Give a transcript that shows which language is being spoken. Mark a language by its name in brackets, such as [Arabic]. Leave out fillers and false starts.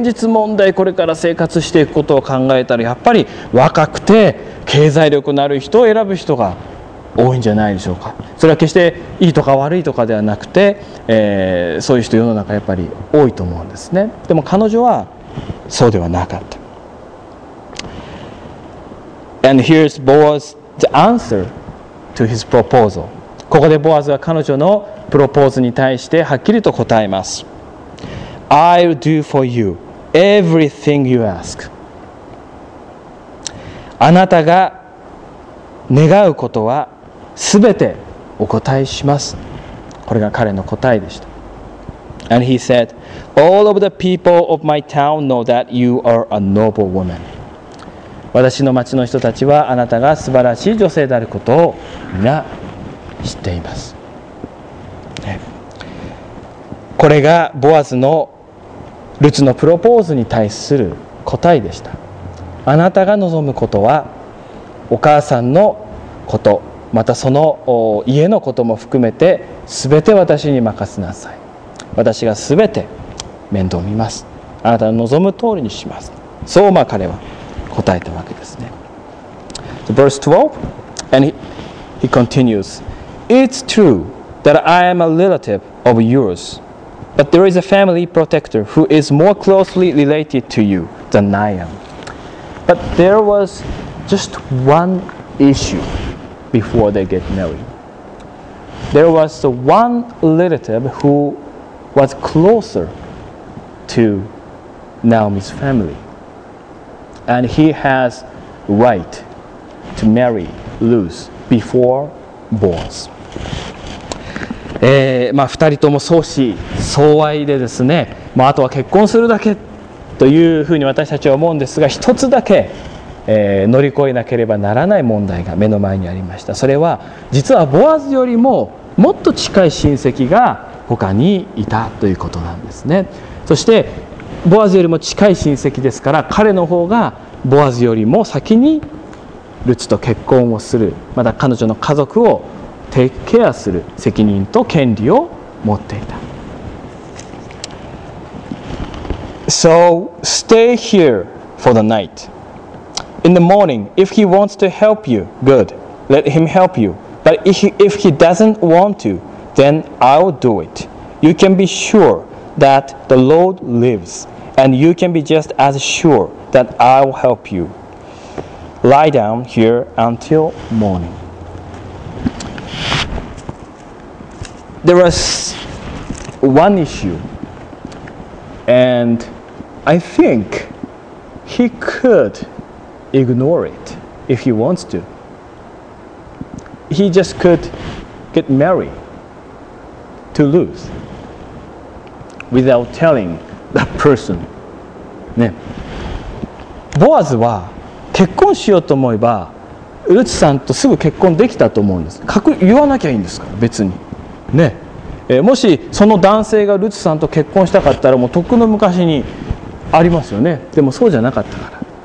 [Japanese] 問題これから生活していくことを考えたら、やっぱり若くて経済力のある人を選ぶ人が多いんじゃないでしょうか。それは決していいとか悪いとかではなくて、そういう人世の中やっぱり多いと思うんですね。でも彼女はそうではなかった。 [English] And here's Boaz the answer to his proposal. [Japanese] ここでボアズは彼女のプロポーズに対してはっきりと答えます。 [English] I'll do for you everything you ask. [Japanese] あなたが願うことはすべてお答えします。これが彼の答えでした。 [English] And he said, All of the people of my town know that you are a noble woman. [Japanese] 私の町の人たちはあなたが素晴らしい女性であることをみんな知っています。これがボアズのルツのプロポーズに対する答えでした。あなたが望むことはお母さんのこと、またその家のことも含めて全て私に任せなさい。私が全て面倒を見ます。あなたの望む通りにします。そう、まあ彼は答えたわけですね。 [English] Verse 12 And he continues, It's true that I am a relative of yours, but there is a family protector who is more closely related to you than I am. But there was just one issue. Before they get married, there was one relative who was closer to Naomi's family, and he has right to marry Ruth before Boaz. [Japanese] まあ、二人とも相思相愛でですね、まあ、あとは結婚するだけというふうに私たちは思うんですが、一つだけ乗り越えなければならない問題が目の前にありました。それは実はボアズよりももっと近い親戚が他にいたということなんですね。そしてボアズよりも近い親戚ですから、彼の方がボアズよりも先にルツと結婚をする、また彼女の家族をテイクケアする責任と権利を持っていた。 [English] So stay here for the nightIn the morning, if he wants to help you, good, let him help you. But if he doesn't want to, then I'll do it. You can be sure that the Lord lives, and you can be just as sure that I'll help you. Lie down here until morning. There was one issue, and I think he could... ignore it if he wants to. He just could get married to Ruth without telling that person. [Japanese] ね。ボアズは結婚しようと思えばルツさんとすぐ結婚できたと思うんです。言わなきゃいいんですから、別に。ね。もしその男性がルツさんと結婚したかったら、もうとっくの昔にありますよね。でもそうじゃなかったから。